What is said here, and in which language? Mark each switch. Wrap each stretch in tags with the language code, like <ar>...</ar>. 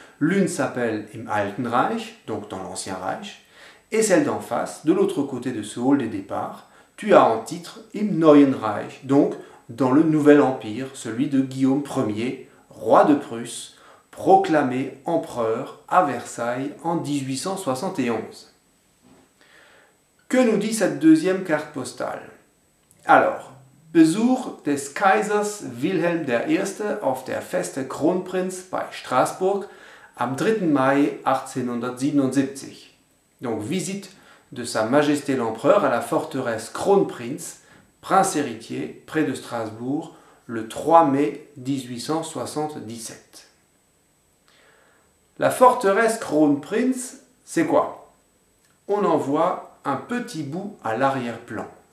<fr>L'une s'appelle</fr> <de>Im Alten Reich,</de> <fr>donc dans l'Ancien Reich, et celle d'en face, de l'autre côté de ce hall des départs, tu as en titre</fr> <de>Im Neuen Reich,</de> <fr>donc dans le Nouvel Empire, celui de Guillaume Ier, roi de Prusse, proclamé empereur à Versailles en 1871. Que nous dit cette deuxième carte postale? Alors,</fr> <de>Besuch des Kaisers Wilhelm I. auf der Feste Kronprinz bei Strasbourg am 3. Mai 1877.</de> <fr>Donc, visite de Sa Majesté l'Empereur à la forteresse Kronprinz, prince héritier, près de Strasbourg, le 3 mai 1877. La forteresse Kronprinz, c'est quoi? On en voit un petit bout à l'arrière-plan.</fr>